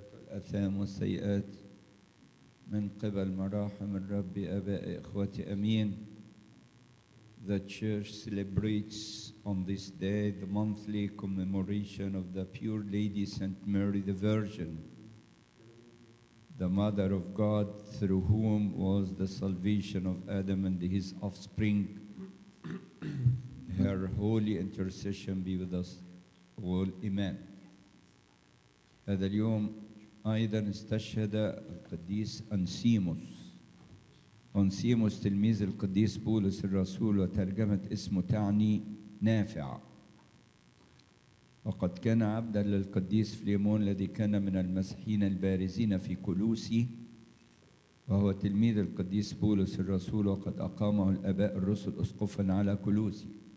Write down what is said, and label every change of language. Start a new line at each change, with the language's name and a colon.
Arabic: الآثام والسيئات من قبل مراحم الرب أباء إخوتي أمين.
English: The church celebrates on this day the monthly commemoration of the Pure Lady Saint Mary the Virgin, the Mother of God through whom was the salvation of Adam and his offspring. Her holy intercession be with us all. Amen.
Arabic: هذا اليوم أيضا استشهد القديس أنسيموس. أنسيموس تلميذ القديس بولس الرسول وترجمة اسمه تعني نافع. وقد كان عبدا للقديس فليمون الذي كان من المسيحيين البارزين في كولوسي، وهو تلميذ القديس بولس الرسول وقد أقامه الآباء الرسل أسقفا على كولوسي.